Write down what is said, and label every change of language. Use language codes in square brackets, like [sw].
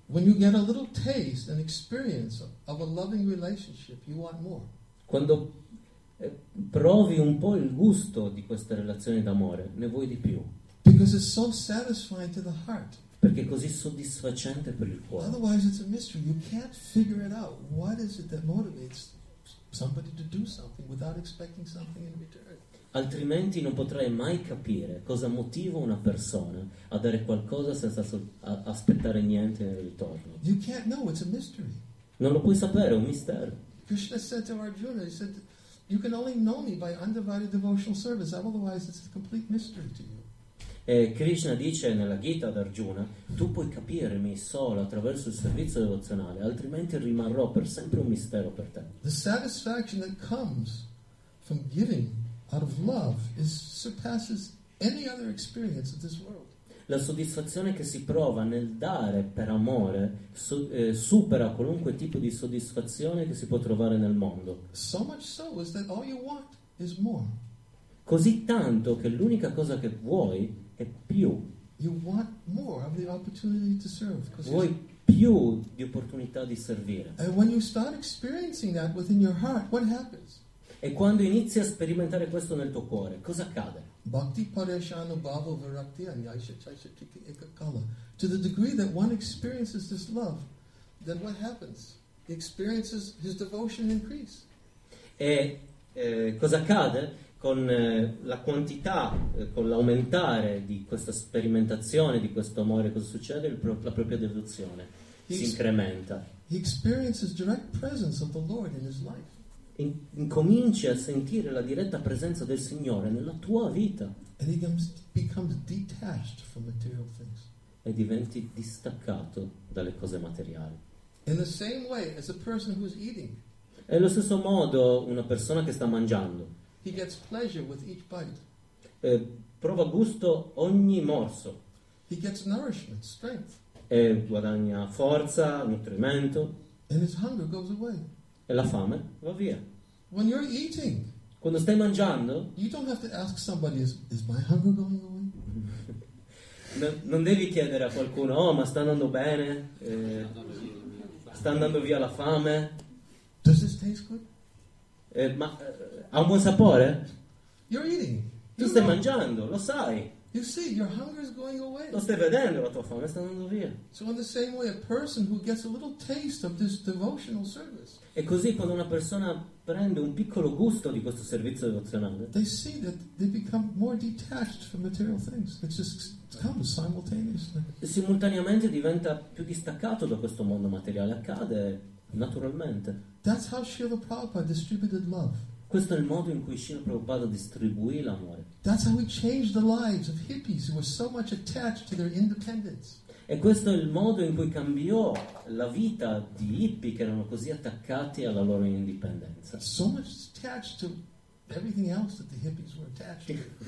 [en] When you get a little taste and experience of a loving relationship, you want more. [it] Quando provi un po' il gusto di questa relazione d'amore, ne vuoi di più. [en] Because it's so satisfying to the heart. [it] Perché è così soddisfacente per il cuore. [en] Otherwise it's a mystery. You can't figure it out. What is it that motivates somebody to do something without expecting something in return? [it] Altrimenti non potrai mai capire cosa motiva una persona a dare qualcosa senza aspettare niente in ritorno. [en] You can't know. It's a mystery. [it] Non lo puoi sapere. È un mistero. [en] Krishna said to Arjuna, he said, you can only know me by undivided devotional service. Otherwise it's a complete mystery to you. [it] E Krishna dice nella Gita ad Arjuna, tu puoi capirmi solo attraverso il servizio devozionale, altrimenti rimarrò per sempre un mistero per te. [en] The satisfaction that comes from giving out of love is surpasses any other experience of this world. [it] La soddisfazione che si prova nel dare per amore supera qualunque tipo di soddisfazione che si può trovare nel mondo. [en] So much so is that all you want is more. [it] Così tanto che l'unica cosa che vuoi è più. [en] You want more of the opportunity to serve. [it] Vuoi più di opportunità di servire. [en] And when you start experiencing that within your heart, what happens? [it] E quando inizi a sperimentare questo nel tuo cuore, cosa accade? [sa] Bhakti parashana bhava virakti anyaisha chaisha tiki ekakala. [en] To the degree that one experiences this love, then what happens? He experiences his devotion increase. [it] Cosa accade? Con la quantità, con l'aumentare di questa sperimentazione, di questo amore, cosa succede? La propria devozione si incrementa. [en] He experiences direct presence of the Lord in his life. [it] incominci a sentire la diretta presenza del Signore nella tua vita. [en] And becomes detached from material things. [it] E diventi distaccato dalle cose materiali. [en] In the same way as a person who's eating. [it] E allo stesso modo una persona che sta mangiando. [en] He gets pleasure with each bite. [it] Prova gusto ogni morso. [en] He gets nourishment, strength. [it] E guadagna forza, nutrimento. [en] And his hunger goes away. [it] E la fame va via. [en] When you're eating, [it] quando stai mangiando, [en] you don't have to ask somebody, is my hunger going away? [it] Non devi chiedere a qualcuno, oh, ma sta andando bene? Sta andando via la fame? [en] Does this taste good? [it] Ha un buon sapore? [en] You're eating. [it] Tu stai mangiando, lo sai. [en] You see, your hunger is going away. [it] Lo stai vedendo, la tua fame sta andando via. [en] So in the same way, a person who gets a little taste of this devotional service. [it] E così quando una persona prende un piccolo gusto di questo servizio devozionale. [en] They see that they become more detached from material things. It just comes simultaneously. [it] Simultaneamente diventa più distaccato da questo mondo materiale, accade naturalmente. [en] That's how Srila Prabhupada distributed love. [it] Questo è il modo in cui Srila Prabhupada distribuì l'amore. [en] That's how he changed the lives of hippies who were so much attached to their independence. [it] E questo è il modo in cui cambiò la vita di hippie che erano così attaccati alla loro indipendenza. [en] So much attached to everything else that the hippies were attached to.